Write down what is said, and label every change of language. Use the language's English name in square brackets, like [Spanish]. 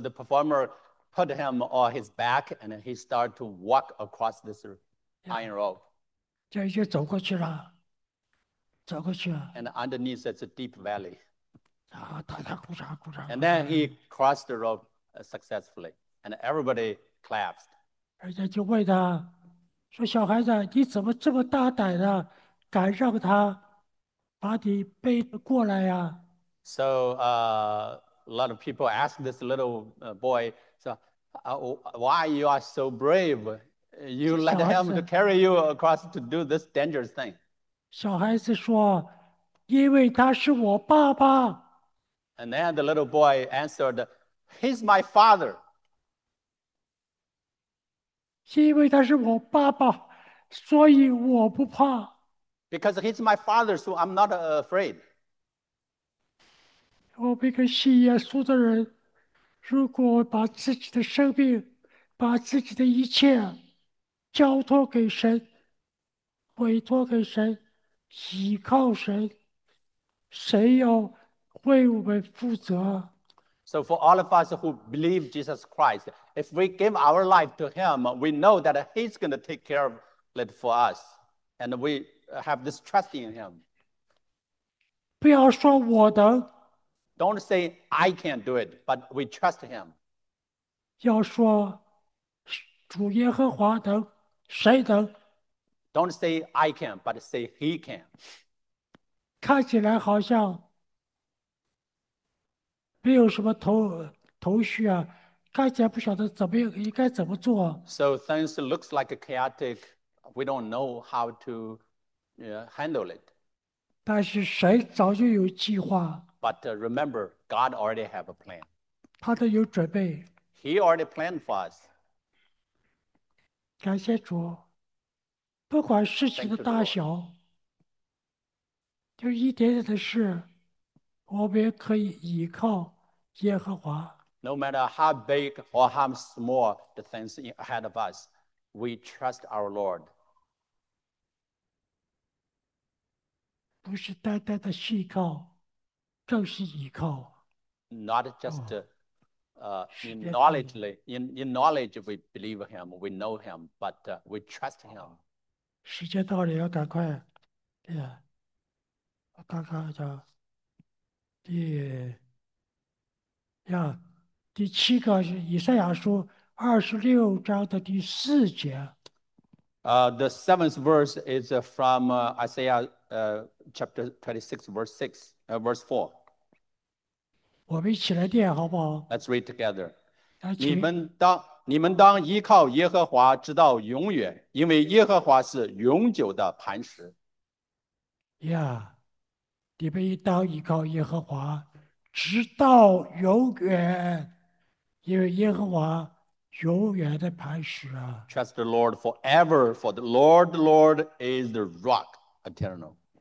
[English] the performer put him on his back and he started to walk across this iron rope. [Chinese] 这就走过去了，走过去了。 [English] And underneath it's a deep valley. [Chinese] 啊，大家鼓掌，鼓掌。 [English] And then he crossed the rope successfully, and everybody clapped. [Chinese] 而且就问他，说：“小孩子，你怎么这么大胆的，敢让他把你背过来呀？” [English] So a lot of people ask this little boy, so why you are so brave? You let him to carry you across to do this dangerous thing. [Chinese] 小孩子说,因为他是我爸爸。 [English] And then the little boy answered, "He's my father." [Chinese] 因为他是我爸爸，所以我不怕。 [English] Because he's my father, so I'm not afraid. [Chinese] 我一个信耶稣的人，如果把自己的生命、把自己的一切交托给神、委托给神、依靠神，神要为我们负责。 [English] So for all of us who believe Jesus Christ, if we give our life to him, we know that he's going to take care of it for us. And we have this trust in him. [Chinese] 不要说我能， [English] Don't say, I can't do it, but we trust him. [Chinese] 要说主耶和华能，谁能？ [English] Don't say, I can't, but say, he can. [Chinese] 看起来好像没有什么头绪啊，看起来不晓得怎么应该怎么做。 [English] So things looks like a chaotic. We don't know how to handle it. [Chinese] 但是神早就有计划， [English] But remember, God already have a plan. [Chinese] 他都有准备。 [English] He already planned for us. [Chinese] 感谢主，不管事情的 [English] Thank you, [Chinese] 大 [English] Lord. [Chinese] 小，就一点点的事，我们也可以依靠耶和华。 [English] No matter how big or how small the things ahead of us, we trust our Lord. [Chinese] 不是单单的信靠，更是依靠。 [English] Not just [Chinese] 哦，诗 [English] in [Chinese] 篇可以， [English] knowledge, in knowledge we believe him, we know him, but we trust him. [Chinese] 时间到了，要赶快，对呀，我看看叫第7个是以赛亚书26章的第四节。 [English] The seventh verse is from Isaiah chapter 26, verse 6, verse 4. [Chinese] 我们一起来念好不好？ [English] Let's read together. [Chinese] 来，请。你们当依靠耶和华直到永远，因为耶和华是永久的磐石。你们应当依靠耶和华，直到永远，因为耶和华永远的磐石啊。 [English] Trust the Lord forever, for the Lord is the rock eternal.